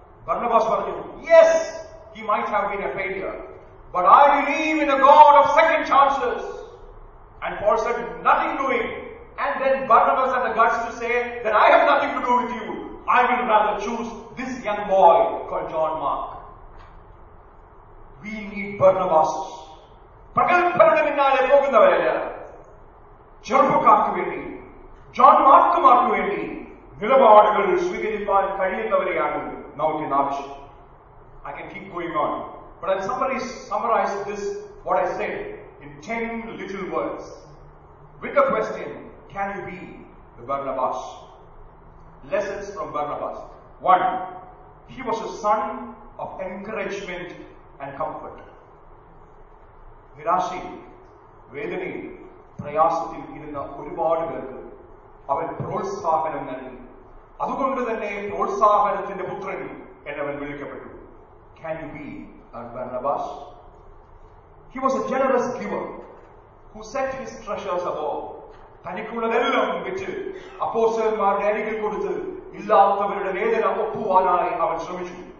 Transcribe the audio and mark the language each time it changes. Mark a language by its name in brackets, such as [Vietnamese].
[English] Barnabas was like, yes, he might have been a failure. But I believe in a God of second chances. And Paul said, nothing doing. And then Barnabas had the guts to say that I have nothing to do with you. I will rather choose this young boy called John Mark. We need Barnabas. [Malayalam] പ്രകൽഭരണമില്ലാതെ പോകുന്നവരല്ല ചെറുപ്പക്കാർക്ക് വേണ്ടി John മാർക്കുമാർക്ക് വേണ്ടി നിലപാടുകൾ സ്വീകരിക്കാൻ കഴിയുന്നവരെയാണ് നമുക്ക് ഇന്ന് ആവശ്യം. [English] I can keep going on but I summarise this what I said in 10 little words with a question can you be the Barnabas lessons from Barnabas 1 he was a son of encouragement and comfort [Malayalam] നിരാശയിൽ വേദനയിൽ പ്രയാസത്തിൽ ഇരുന്ന ഒരുപാട് പേർക്ക് അവൻ പ്രോത്സാഹനം നൽകി. അതുകൊണ്ട് തന്നെ പ്രോത്സാഹനത്തിന്റെ പുത്രൻ എന്നവൻ വിളിക്കപ്പെട്ടു. [English] Can you be like Barnabas? He was a generous giver who set his treasures above. [Malayalam] തനിക്കുള്ളതെല്ലാം വെച്ച് അപ്പോസ്തലന്മാരുടെ അരികിൽ കൊടുത്ത് ഇല്ലാത്തവരുടെ വേദന ഒപ്പുവാനായി അവൻ ശ്രമിച്ചു.